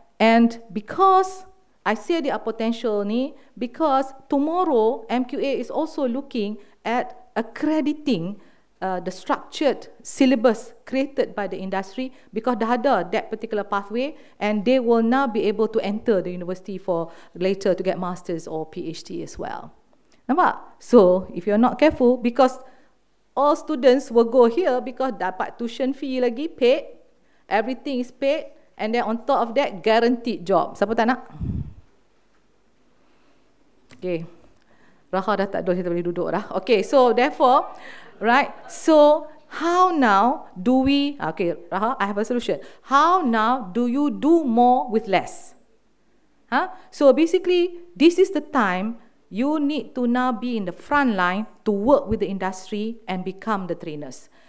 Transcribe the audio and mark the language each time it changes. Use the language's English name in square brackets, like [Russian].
[English] And because I see the potential ni, because tomorrow MQA is also looking at accrediting the structured syllabus created by the industry, because [Malay] dah ada [English] that particular pathway and they will now be able to enter the university for later to get masters or PhD as well. [Malay] Nampak? [English] So if you're not careful, because all students will go here because [Malay] dapat [English] tuition fee [Malay] lagi [English] paid, everything is paid, and then on top of that, guaranteed job. [Malay] Siapa tak nak? Okay, Raha dah tak ada, kita boleh duduk dah. [English] Okay, so therefore, right, so how now do we, okay, Raha, I have a solution. How now do you do more with less? Huh? So basically, this is the time you need to now be in the front line to work with the industry and become the trainers.